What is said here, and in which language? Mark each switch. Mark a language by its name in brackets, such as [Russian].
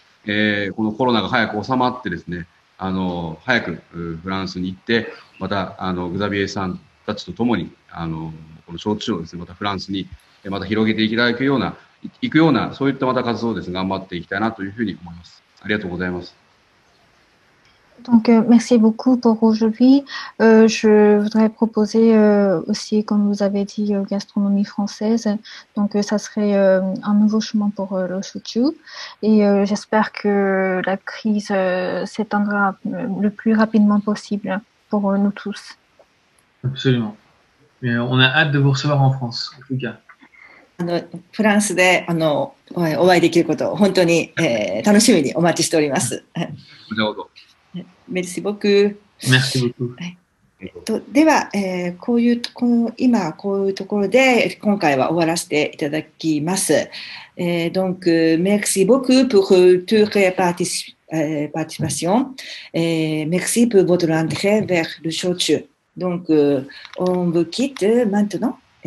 [Japanese] このコロナが早く収まってですね、早くフランスに行ってまたグザビエさんたちとともにこの焼酎をですね、またフランスにまた広げていただくような行くようなそういったまた活動をですね、頑張っていきたいなというふうに思います。ありがとうございます。 [French] Donc, merci beaucoup pour aujourd'hui. Je voudrais proposer aussi, comme vous avez dit, gastronomie française. Donc, ça serait un nouveau chemin pour le shochu. Et j'espère que la crise s'éteindra le plus rapidement possible pour nous tous. Absolument. Mais on a hâte de vous recevoir en France, en tout cas. [Japanese] フランスでお会いできることを本当に楽しみにお待ちしております。なるほど。 [French] Merci beaucoup. [Japanese] では、こういう今こういうところで今回は終わらせていただきます。 [French] Donc, merci beaucoup pour toute participation. Merci pour votre entrée vers le shochu. Donc, on vous quitte maintenant.